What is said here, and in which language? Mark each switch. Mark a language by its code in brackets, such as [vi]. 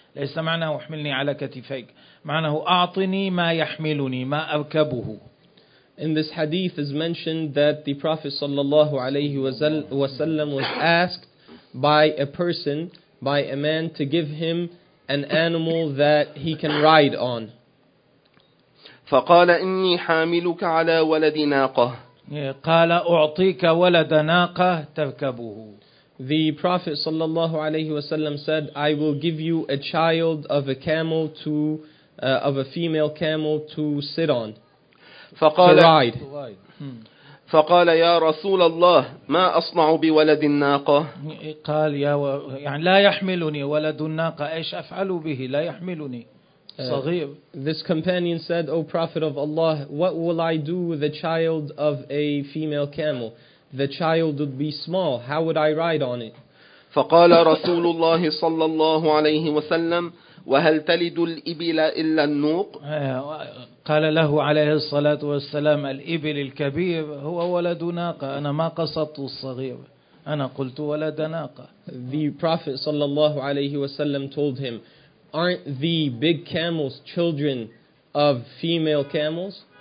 [ar] ليس معناه احملني على كتفيك، معناه اعطني ما يحملني ما اركبه. [en] In this hadith is mentioned that the Prophet sallallahu alayhi wa sallam was asked by a person, by a man, to give him an animal that he can ride on. [ar] فقال إني حاملك على ولد ناقة. قال أعطيك ولد ناقة تركبه. [en] The Prophet صلى الله عليه وسلم said, I will give you a child of a camel to of a female camel to sit on. [ar] فقال [en] to ride. [ar] فقال يا رسول الله ما أصنع بولد الناقة؟ قال يا يعني لا يحملني ولد الناقة، إيش أفعل به؟ لا يحملني. صغير. [en] This companion said, O Prophet of Allah, what will I do with a child of a female camel? The child would be small. How would I ride on it? [ar] فقال رسول الله صلى الله عليه وسلم وهل تلد الإبل إلا النوق؟ قال له عليه الصلاة والسلام الإبل الكبير هو ولد ناقة، أنا ما قصدت الصغير، أنا قلت ولد ناقة. [en] The Prophet صلى الله عليه وسلم told him, Aren't the big camels children of female camels?